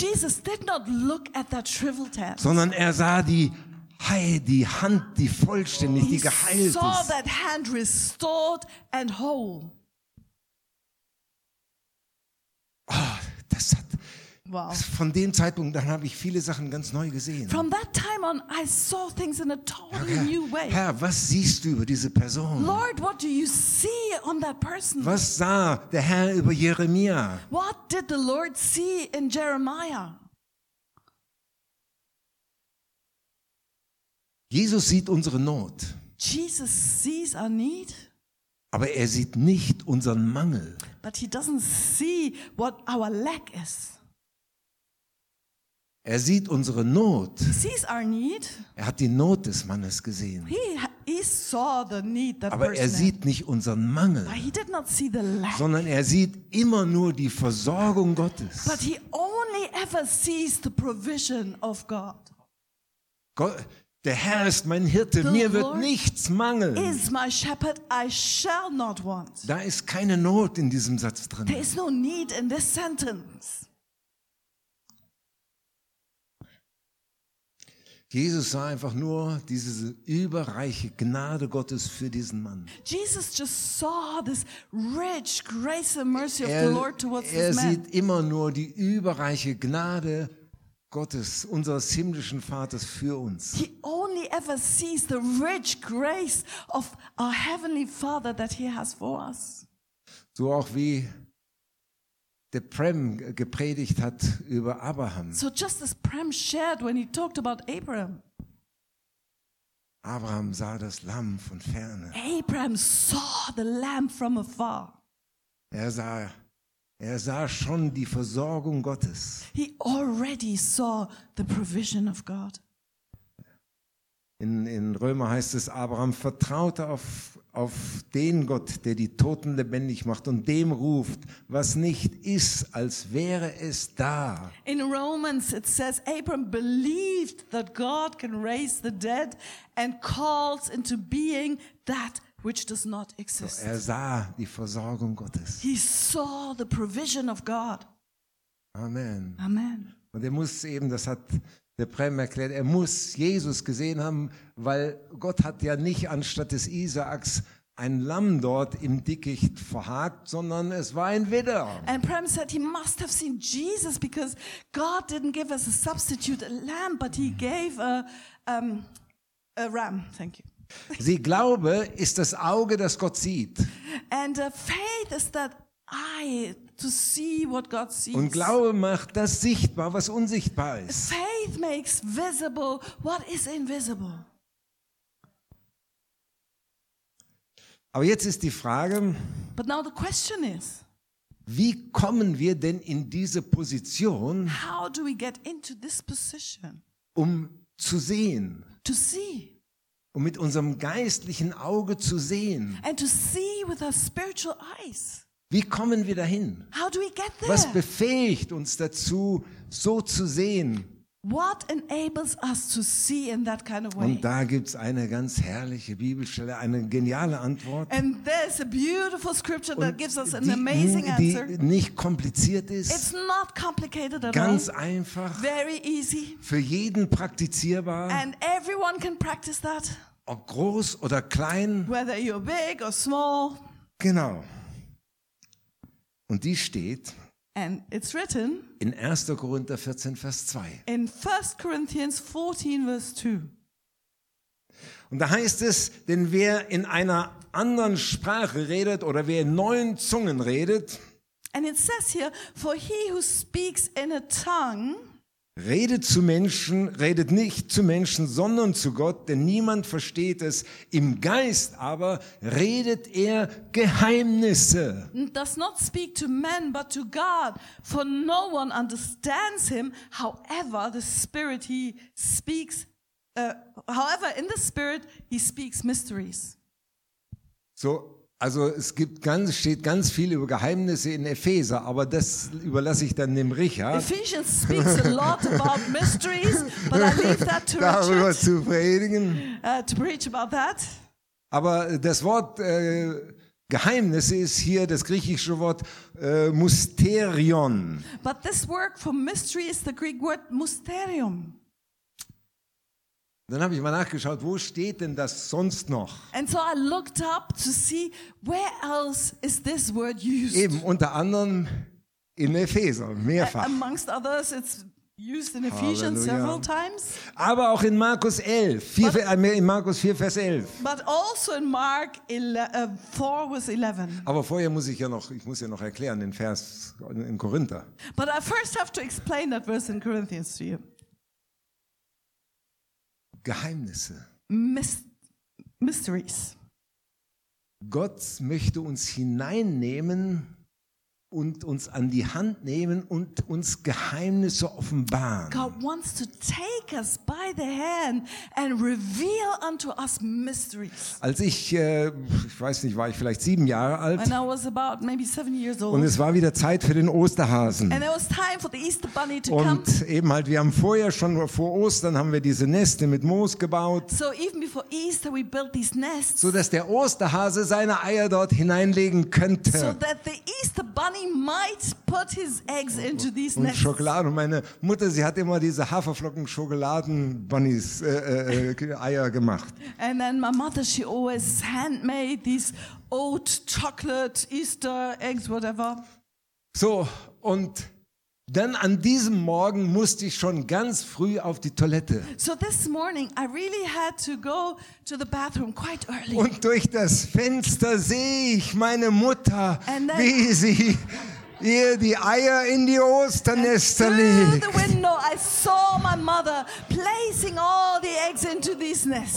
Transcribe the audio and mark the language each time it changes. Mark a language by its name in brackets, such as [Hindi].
[English] Jesus did not look at that shriveled hand, [German] sondern er sah die, hey, die Hand, die vollständig, oh, die geheilt ist. [English] He saw that hand restored and whole. [German] Oh, das hat, wow. Von dem Zeitpunkt dann habe ich viele Sachen ganz neu gesehen. [English] From that time on, I saw things in a totally [German] Herr, [English] new way. [German] Herr, was siehst du über diese Person? [English] Lord, what do you see on that person? [German] Was sah der Herr über Jeremia? [English] What did the Lord see in Jeremiah? [German] Jesus sieht unsere Not. [English] Jesus sees our need. [German] Aber er sieht nicht unseren Mangel. [English] But he doesn't see what our lack is. [German] Er sieht unsere Not. [English] He sees our need. [German] Er hat die Not des Mannes gesehen. [English] He saw the need that [German] Aber er sieht nicht unseren Mangel, [English] But he did not see the lack. [German] Sondern er sieht immer nur die Versorgung Gottes. [English] But he only ever sees the provision of God. [German] Der Herr ist mein Hirte, [English] the [German] mir wird [English] Lord [German] nichts mangeln. [English] Is my shepherd, I shall not want. [German] Da ist keine Not in diesem Satz drin. [English] There is no need in this sentence. [German] Jesus sah einfach nur diese überreiche Gnade Gottes für diesen Mann. [English] Jesus just saw this rich grace and mercy of the Lord towards this man. [German] Er sieht immer nur die überreiche Gnade Gottes, unseres himmlischen Vaters für uns. [English] He only ever sees the rich grace of our heavenly Father that he has for us. [German] So auch wie der Prem gepredigt hat über Abraham. [English] So just as Prem shared when he talked about Abraham. [German] Abraham sah das Lamm von ferne. [English] Abraham saw the lamb from afar. [German] Er sah schon die Versorgung Gottes. [English] He already saw the provision of God. [German] In Römer heißt es, Abraham vertraute auf den Gott, der die Toten lebendig macht und dem ruft, was nicht ist, als wäre es da. [English] In Romans it says, Abraham believed that God can raise the dead and calls into being that which does not exist. [German] So er sah die Versorgung Gottes. [English] He saw the provision of God. [German] Amen. [English] Amen. [German] Und er muss eben, das hat der Prem erklärt, er muss Jesus gesehen haben, weil Gott hat ja nicht anstatt des Isaaks ein Lamm dort im Dickicht verharkt, sondern es war ein Widder. [English] And Prem said he must have seen Jesus because God didn't give us a substitute, a lamb, but he gave a ram. Thank you. [German] Sie Glaube ist das Auge, das Gott sieht. [English] And faith is that eye to see what God sees. [German] Und Glaube macht das sichtbar, was unsichtbar ist. [English] Faith makes visible what is invisible. [German] Aber jetzt ist die Frage, [English] but now the question is, [German] wie kommen wir denn in diese Position, [English] how do we get into this position, [German] um zu sehen, [English] to see, [German] um mit unserem geistlichen Auge zu sehen, [English] and to see with our spiritual eyes. [German] Wie kommen wir dahin? [English] How do we get there? [German] Was befähigt uns dazu, so zu sehen? [English] What enables us to see in that kind of way? [German] Und da gibt's eine ganz herrliche Bibelstelle, eine geniale Antwort. [English] And there's a beautiful scripture that gives us an amazing answer. [German] Die nicht kompliziert ist. [English] It's not complicated at all. [German] Ganz einfach. [English] Very easy. [German] Für jeden praktizierbar. [English] And everyone can practice that. [German] Ob groß oder klein. [English] Whether you're big or small. [German] Genau. Und die steht. [English] And it's written [German] in 1. Korinther 14, Vers 2. [English] In 1. Corinthians 14, Vers 2. [German] Und da heißt es, denn wer in einer anderen Sprache redet oder wer in neuen Zungen redet, [English] and it says here, for he who speaks in a tongue, [German] redet zu Menschen, redet nicht zu Menschen, sondern zu Gott, denn niemand versteht es. Im Geist aber redet er Geheimnisse. [English] Does not speak to men, but to God, for no one understands him. However, the Spirit he speaks, however in the Spirit he speaks mysteries. So. [German] Also es gibt ganz, steht ganz viel über Geheimnisse in Epheser, aber das überlasse ich dann dem Richard. [English] Ephesians speaks a lot about mysteries, but I leave that to [German] darüber [English] Richard. [German] Zu predigen. [English] To preach about that. [German] Aber das Wort Geheimnisse ist hier das griechische Wort Mysterion. [English] But this word for mystery is the Greek word mysterion. [German] Dann habe ich mal nachgeschaut, wo steht denn das sonst noch? [English] And so I looked up to see where else is this word used. [German] Eben unter anderem in Epheser mehrfach. [English] Amongst others it's used in Ephesians. Halleluja. Several times. [German] Aber auch in Markus 11, in Markus 4 Vers 11. [English] But also in Mark 4 Vers 11. [German] Aber vorher muss ich ja noch, ich muss ja noch erklären den Vers in Korinther. [English] But I first have to explain that verse in Corinthians to you. [German] Geheimnisse. [English] Mysteries. [German] Gott möchte uns hineinnehmen und uns an die Hand nehmen und uns Geheimnisse offenbaren. [English] God wants to take us by the hand and reveal unto us mysteries. [German] Als ich weiß nicht, war ich vielleicht 7 Jahre alt. [English] When I was about maybe 7 years old. [German] Und es war wieder Zeit für den Osterhasen. [English] And it was time for the Easter bunny to come. [German] Und eben halt, wir haben vorher schon vor Ostern haben wir diese Nester mit Moos gebaut. [English] So even before Easter we built these nests. [German] So dass der Osterhase seine Eier dort hineinlegen könnte. [English] So that the Easter bunny might put his eggs into these nests. [German] Und Schokolade. Und meine Mutter, sie hat immer diese Haferflocken Schokoladen Bunnies Eier gemacht. [English] And then my mother, she always handmade these oat chocolate Easter eggs, whatever. [German] So, und dann an diesem Morgen musste ich schon ganz früh auf die Toilette. [English] So this morning I really had to go to the bathroom quite early. [German] Und durch das Fenster sehe ich meine Mutter, wie sie ihr die Eier in die Osternester legt. [English] Through the window I saw my mother placing all the eggs into these nests.